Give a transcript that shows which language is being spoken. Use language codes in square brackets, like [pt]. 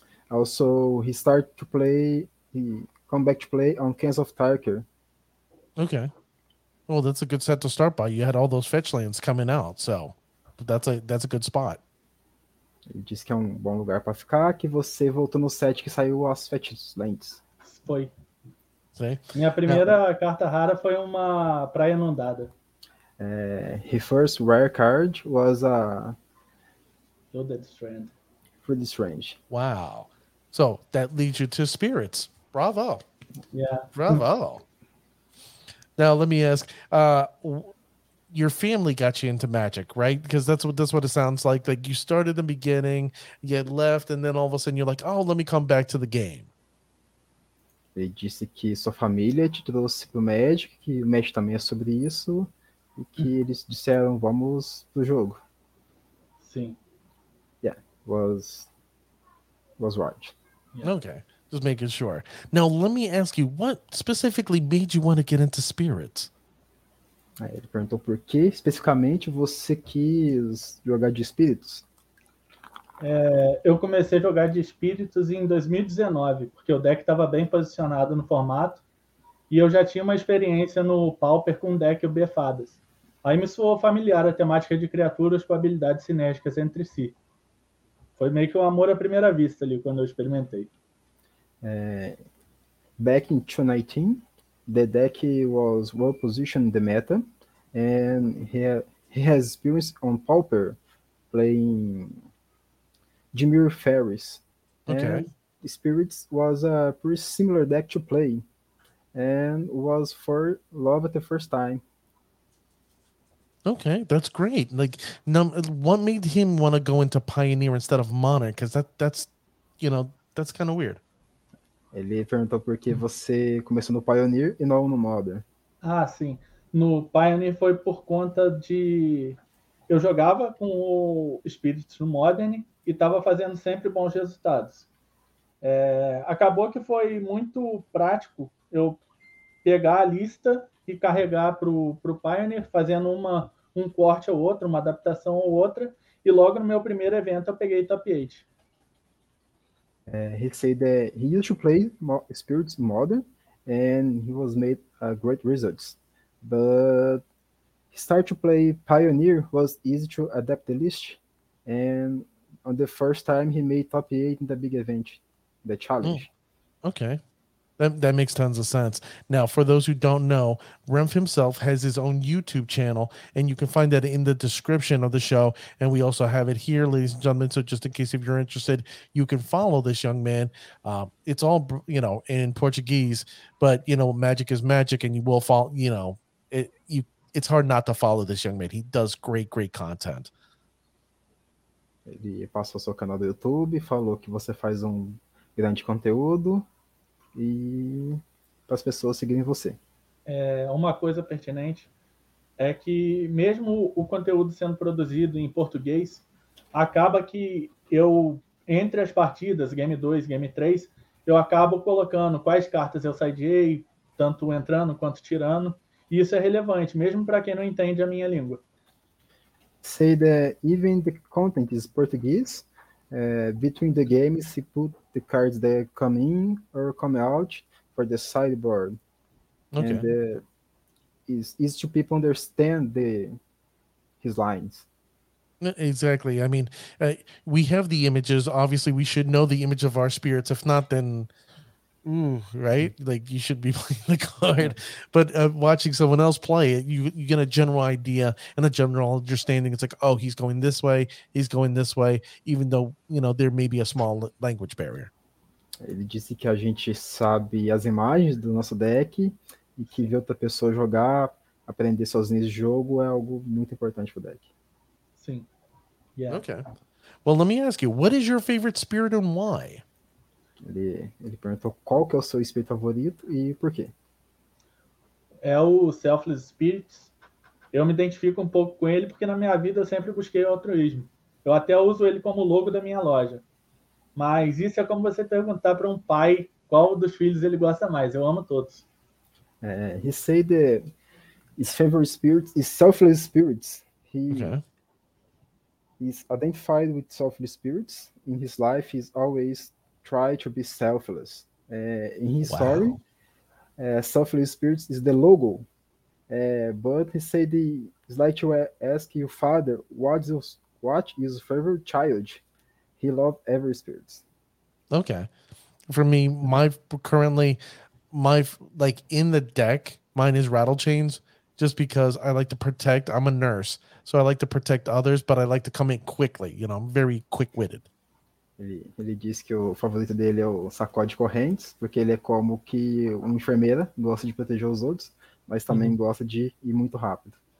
[en] Also, he start to play. He come back to play on Cans of Tarkir. Okay. Well, that's a good set to start by. You had all those fetch lands coming out, so that's a good spot. [pt] Ele disse que é um bom lugar para ficar, que você voltou no set que saiu as fetch lands. Foi. Sim. Minha primeira carta rara foi uma praia inundada. [en] His first rare card was a Flooded Strand. Pretty strange. Wow. So that leads you to spirits. Bravo. Yeah. Bravo. Now let me ask, your family got you into magic, right? Because that's what it sounds like. Like you started in the beginning, you had left, and then all of a sudden you're like, oh, let me come back to the game. [pt] Ele disse que sua família te trouxe para o Magic, que o Magic também é sobre isso, e que eles disseram, vamos pro jogo. Sim. [en] Was right. Okay. Just making sure. Now, let me ask you, what specifically made you want to get into spirits? [pt] Aí ele perguntou por que especificamente você quis jogar de espíritos? Eu comecei a jogar de espíritos em 2019, porque o deck estava bem posicionado no formato e eu já tinha uma experiência no Pauper com um deck blefadas. Aí me soou familiar a temática de criaturas com habilidades sinérgicas entre si. Foi meio que um amor à primeira vista ali quando eu experimentei. [en] Back in 2019, the deck was well positioned in the meta, and he has experience on Pauper playing Dimir Ferris, Okay. and Spirits was a pretty similar deck to play, and was for love at the first time. Okay, that's great. Like, now, what made him want to go into Pioneer instead of Modern? Because that's kind of weird. [pt] Ele perguntou por que você começou no Pioneer e não no Modern. Ah, sim. No Pioneer foi por conta de eu jogava com o Spirits no Modern e estava fazendo sempre bons resultados. Acabou que foi muito prático eu pegar a lista e carregar para o Pioneer, fazendo um corte ou outro, uma adaptação ou outra, e logo no meu primeiro evento eu peguei Top 8. [en] He said that he used to play Mo Spirits Modern and he was made great results. But he started to play Pioneer, was easy to adapt the list. And on the first time, he made top 8 in the big event, the challenge. Okay. That makes tons of sense. Now, for those who don't know, Remf himself has his own YouTube channel, and you can find that in the description of the show. And we also have it here, ladies and gentlemen. So just in case if you're interested, you can follow this young man. It's all, in Portuguese, but magic is magic, and you will follow, it's hard not to follow this young man. He does great, great content. [pt] Ele passou seu canal do YouTube, falou que você faz um grande conteúdo e para as pessoas seguirem você. Uma coisa pertinente é que, mesmo o conteúdo sendo produzido em português, acaba que eu, entre as partidas, Game 2, Game 3, eu acabo colocando quais cartas eu sideei, tanto entrando quanto tirando, e isso é relevante, mesmo para quem não entende a minha língua. [en] Say that even the content is Portuguese, between the games, he put the cards that come in or come out for the sideboard. And Okay. it's easy to people understand the his lines. Exactly. I mean, we have the images. Obviously, we should know the image of our spirits. If not, then, right? Like, you should be playing the card. Yeah. But watching someone else play it, you get a general idea and a general understanding. It's like, oh, he's going this way. He's going this way. Even though, you know, there may be a small language barrier. [pt] Ele disse que a gente sabe as imagens do nosso deck e que ver outra pessoa jogar, aprender sozinho esse jogo é algo muito importante pro deck. Sim. Yeah. [en] Okay. Well, let me ask you, what is your favorite spirit and why? [pt] Ele perguntou qual que é o seu espírito favorito e por quê. É o Selfless Spirits. Eu me identifico um pouco com ele porque na minha vida eu sempre busquei o altruísmo. Eu até uso ele como logo da minha loja. Mas isso é como você perguntar para um pai qual dos filhos ele gosta mais. Eu amo todos. [en] He said his favorite spirit is selfless spirits. He is identified with selfless spirits. In his life, he's always tried to be selfless. In his story, selfless spirits is the logo. But he said he's like to ask your father, what is your favorite child? He loved every spirit. Okay. For me, my in the deck, mine is Rattle Chains just because I like to protect. I'm a nurse, so I like to protect others, but I like to come in quickly. You know, I'm very quick-witted. [pt] Ele disse que o favorito dele é o Sacode Correntes, porque ele é como que uma enfermeira, gosta de proteger os outros, mas também gosta de ir muito rápido.